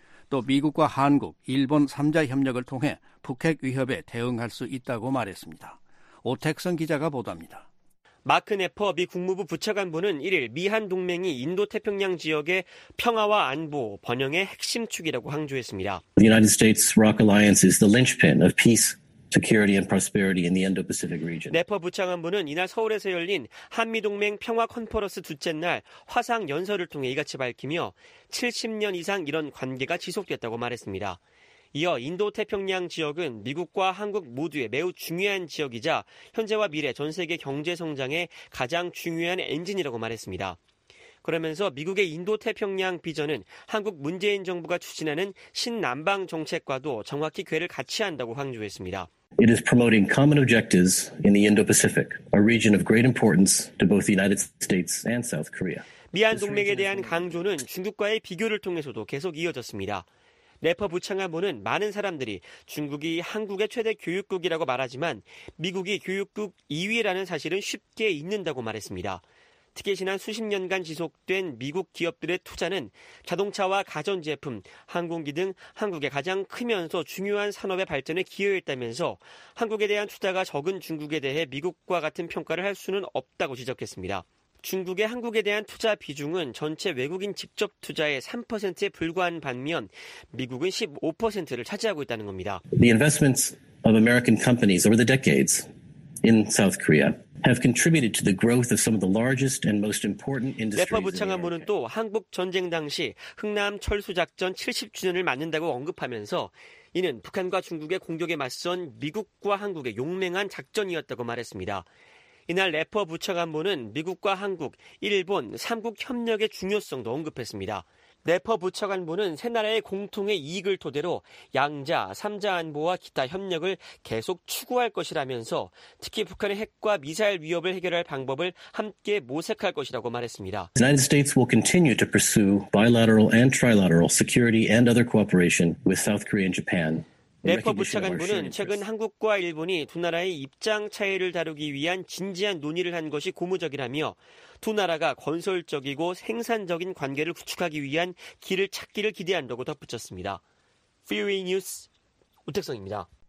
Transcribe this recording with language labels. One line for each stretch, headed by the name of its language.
Korean: 또 미국과 한국, 일본 3자 협력을 통해 북핵 위협에 대응할 수 있다고 말했습니다. 오택성 기자가 보도합니다. 마크 네퍼 미 국무부 부차관보는 1일 미한 동맹이 인도태평양 지역의 평화와 안보, 번영의 핵심 축이라고 강조했습니다.
English: The United States ROC Alliance is the linchpin of peace, security and prosperity in the Indo-Pacific region.
Korean: 네퍼 부차관보는 이날 서울에서 열린 한미동맹 평화 컨퍼런스 둘째 날 화상 연설을 통해 이같이 밝히며 70년 이상 이런 관계가 지속됐다고 말했습니다. 이어 인도태평양 지역은 미국과 한국 모두의 매우 중요한 지역이자 현재와 미래 전 세계 경제 성장의 가장 중요한 엔진이라고 말했습니다. 그러면서 미국의 인도태평양 비전은 한국 문재인 정부가 추진하는 신남방 정책과도 정확히 궤를 같이 한다고 강조했습니다.
English: It is promoting common objectives in the Indo-Pacific, a region of great importance to both the United States and South Korea.
Korean: 미한 동맹에 대한 강조는 중국과의 비교를 통해서도 계속 이어졌습니다. 네퍼 부창한보는 많은 사람들이 중국이 한국의 최대 교육국이라고 말하지만 미국이 교육국 2위라는 사실은 쉽게 잊는다고 말했습니다. 특히 지난 수십 년간 지속된 미국 기업들의 투자는 자동차와 가전제품, 항공기 등 한국의 가장 크면서 중요한 산업의 발전에 기여했다면서 한국에 대한 투자가 적은 중국에 대해 미국과 같은 평가를 할 수는 없다고 지적했습니다. 중국의 한국에 대한 투자 비중은 전체 외국인 직접 투자의 3%에 불과한 반면 미국은 15%를 차지하고 있다는 겁니다.
English: The investments of American companies over the decades in South Korea have contributed to the growth of some of the largest and most important industries.
Korean: 네퍼 부창한보는 또 한국 전쟁 당시 흑남 철수 작전 70주년을 맞는다고 언급하면서 이는 북한과 중국의 공격에 맞선 미국과 한국의 용맹한 작전이었다고 말했습니다. 이날 래퍼 부차관보는 미국과 한국, 일본, 3국 협력의 중요성도 언급했습니다. 래퍼 부차관보는 세 나라의 공통의 이익을 토대로 양자, 3자 안보와 기타 협력을 계속 추구할 것이라면서 특히 북한의 핵과 미사일 위협을 해결할 방법을 함께 모색할 것이라고 말했습니다.
English: The United States will continue to pursue bilateral and trilateral security and other cooperation with South Korea and Japan.
Korean: 네퍼 부차관보는 최근 한국과 일본이 두 나라의 입장 차이를 다루기 위한 진지한 논의를 한 것이 고무적이라며 두 나라가 건설적이고 생산적인 관계를 구축하기 위한 길을 찾기를 기대한다고 덧붙였습니다. VOA 뉴스 오택성입니다.